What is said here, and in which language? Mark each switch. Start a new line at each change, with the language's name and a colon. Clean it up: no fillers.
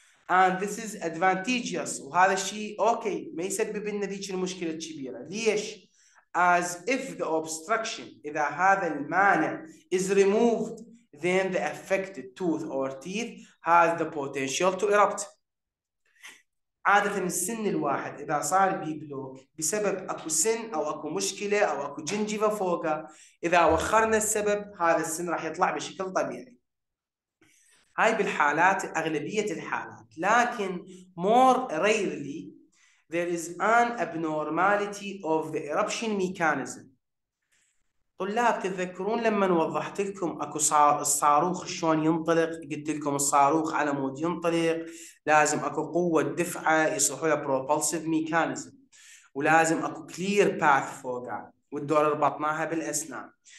English: And this is advantageous.
Arabic: وهذا الشيء اوكي ما يسبب لنا ذيك المشكلة الكبيرة. ليش؟
English: As if the obstruction،
Arabic: إذا هذا المانع
English: is removed, then the affected tooth or teeth has the potential to erupt.
Arabic: عادة السن الواحد إذا صار بي بلوك بسبب أكو سن أو أكو مشكلة أو أكو جنجيفا فوقه، إذا وخرنا السبب هذا السن راح يطلع بشكل طبيعي. هاي بالحالات أغلبية الحالات، لكن
English: more rarely there is an abnormality of the eruption mechanism.
Arabic: طلاب تذكرون لما وضحت لكم اكو الصاروخ شلون ينطلق، قلت لكم الصاروخ على مود ينطلق لازم اكو قوه دفعه يصيحوا لها بروبلسيف ميكانيزم، ولازم اكو كلير باث فوقها، والدور ربطناها بالاسنان.